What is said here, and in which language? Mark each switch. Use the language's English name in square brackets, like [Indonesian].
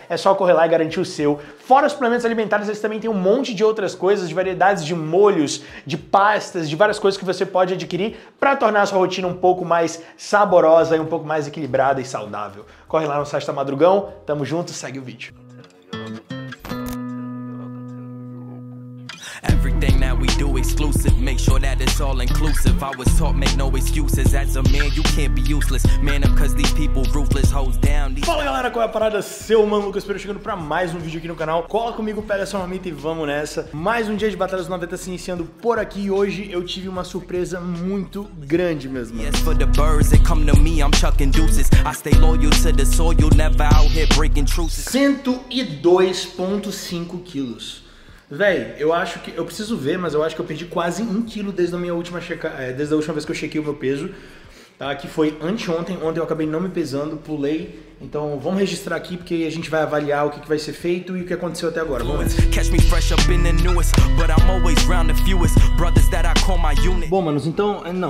[Portuguese] É só correr lá e garantir o seu. Fora os suplementos alimentares, eles também têm um monte de outras coisas, de variedades de molhos, de pastas, de várias coisas que você pode adquirir para tornar a sua rotina um pouco mais saborosa e um pouco mais equilibrada e saudável. Corre lá no site da Madrugão, tamo junto, segue o vídeo. [English] Everything that we do exclusive, make sure that it's all inclusive. I was taught, make no excuses. As a man, you can't be useless. Man up, cause these people ruthless, hold down. [Portuguese] Fala galera, qual é a parada? Seu mano Lucas Pereira chegando pra mais um vídeo aqui no canal. Cola comigo, pega sua mamita e vamos nessa. Mais um dia de Batalha dos 90 se iniciando por aqui. E hoje eu tive uma surpresa muito grande mesmo. [English] Yes, for the birds that come to me, I'm chucking deuces. I stay loyal to the soil, you never out here breaking truces. [Portuguese] 102.5 quilos. Véi, eu acho que... Eu preciso ver, mas eu acho que eu perdi quase 1 quilo desde a minha última desde a última vez que eu chequei o meu peso, tá? Que foi anteontem. Ontem eu acabei não me pesando, pulei. Então vamos registrar aqui, porque a gente vai avaliar o que vai ser feito e o que aconteceu até agora. Vamos ver. Bom, manos, então...